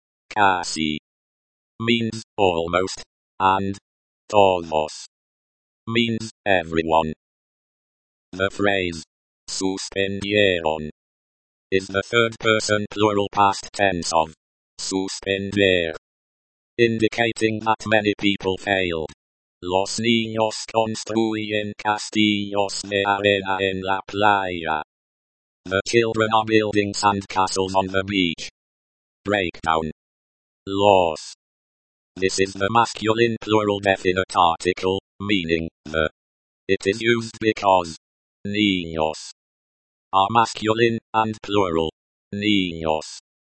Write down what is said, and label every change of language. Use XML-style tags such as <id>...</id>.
<en>Casi means almost, and todos means everyone. The phrase suspendieron is the third person plural past tense of suspender, indicating that many people failed.</en> <es>Los niños construyen castillos de arena en la playa.</es> <en>The children are building sand castles on the beach. Breakdown. Los. This is the masculine plural definite article, meaning the. It is used because niños are masculine and plural. Niños.</en>